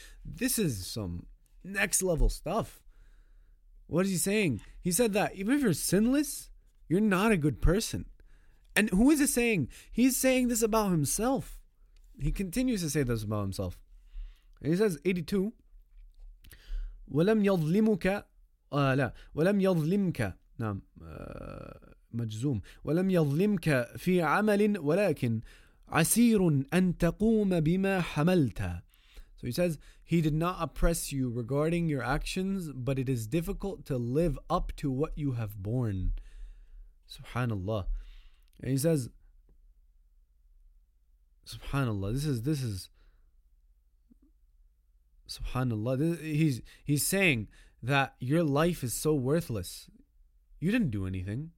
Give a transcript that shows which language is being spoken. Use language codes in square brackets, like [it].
[en] This is some next level stuff. What is he saying? He said that even if you're sinless, you're not a good person. And who is he saying? He's saying this about himself. He continues to say this about himself. And he says, 82. [ar] ولم يظلمك لا ولم يظلمك نعم مجزوم ولم يظلمك في عمل ولكن عسير أن تقوم بما حملت. [en] So he says, he did not oppress you regarding your actions, but it is difficult to live up to what you have borne. Subhanallah. And he says, Subhanallah, this is, Subhanallah, he's saying that your life is so worthless. You didn't do anything.